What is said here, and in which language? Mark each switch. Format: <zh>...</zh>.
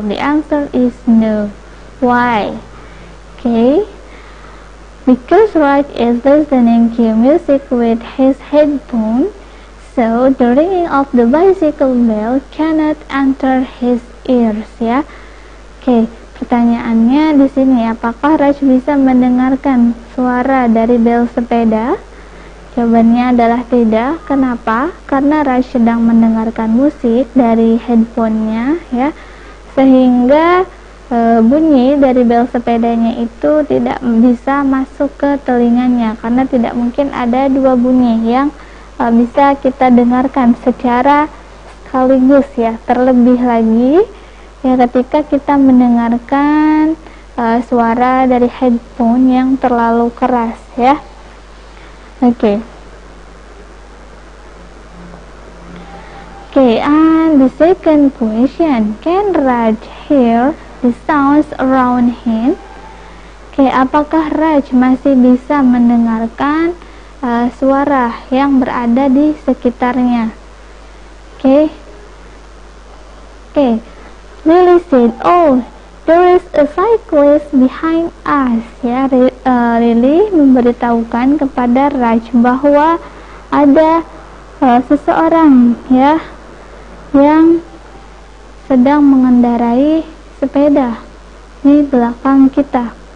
<en>The answer is no. Why? Okay, because Raj is listening to music with his headphone, so the ringing of the bicycle bell cannot enter his ears, ya.</en> <id>Okay, pertanyaannya di sini, apakah Raj bisa mendengarkan suara dari bel sepeda? Jawabannya adalah tidak. Kenapa? Karena Raj sedang mendengarkan musik dari headphone-nya, ya. Sehingga bunyi dari bel sepedanya itu tidak bisa masuk ke telinganya, karena tidak mungkin ada dua bunyi yang bisa kita dengarkan secara sekaligus, ya. Terlebih lagi ya, ketika kita mendengarkan suara dari headphone yang terlalu keras ya. Oke.</id> <en>Okay, and the second question, can Raj hear the sounds around him?</en> <id>Okay, apakah Raj masih bisa mendengarkan suara yang berada di sekitarnya?</id> <en>Okay. Lily said, "Oh, there is a cyclist behind us."</en> <id>Ya, Lily memberitahukan kepada Raj bahwa ada seseorang ya yang sedang mengendarai sepeda di belakang kita.</id>